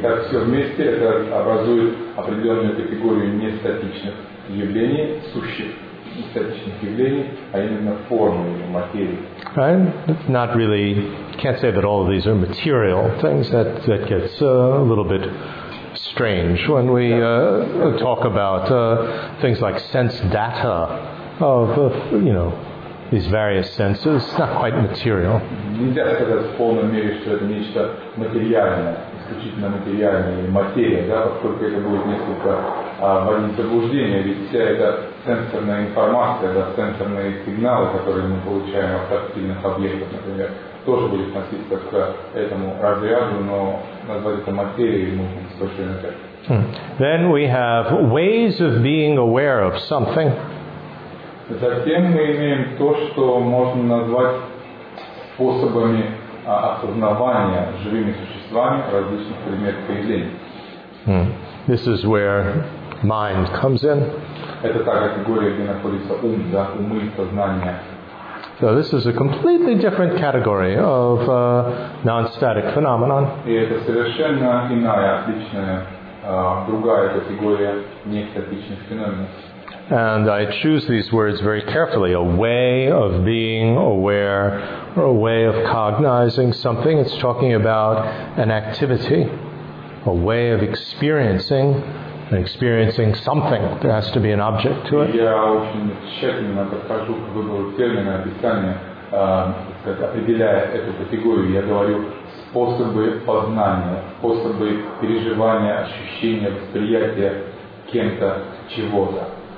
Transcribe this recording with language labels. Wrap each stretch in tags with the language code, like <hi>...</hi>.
<ru>Итак, все вместе это образует определенную категорию нестатичных явлений, сущих нестатичных явлений, а именно формы или материи.</ru> <en>Right? Not really, can't say that all of these are material things. That gets a little bit strange when we talk about things like sense data of, you know, these various senses, it's not quite material.</en> <ru>Нельзя сказать в полном мере, что это нечто материальное, исключительно материальное, материя, да, поскольку это будет несколько вводить в заблуждение, ведь вся эта сенсорная информация, да, сенсорные сигналы, которые мы получаем от тактильных объектов, например, тоже будет относиться к этому разряду, но назвать это материей можно с большой энергией.</ru> <en>Then we have ways of being aware of something.</en> <ru>Затем мы имеем то, что можно назвать способами осознавания живыми существами различных предметов и явлений.</ru> <en>This is where mind comes in.</en> <ru>Это та категория, где находится ум, да, умы, сознание.</ru> <en>So this is a completely different category of non-static phenomenon.</en> <ru>И это совершенно иная, отличная, другая категория нестатичных феноменов.</ru> <en>And I choose these words very carefully, a way of being aware, or a way of cognizing something. It's talking about an activity, a way of experiencing, and experiencing something. There has to be an object to it.</en> <ru>Я очень тщательно подхожу к выбору термина описания, определяя эту категорию. Я говорю способы познания, способы переживания, ощущения, восприятия кем-то, чего-то.</ru>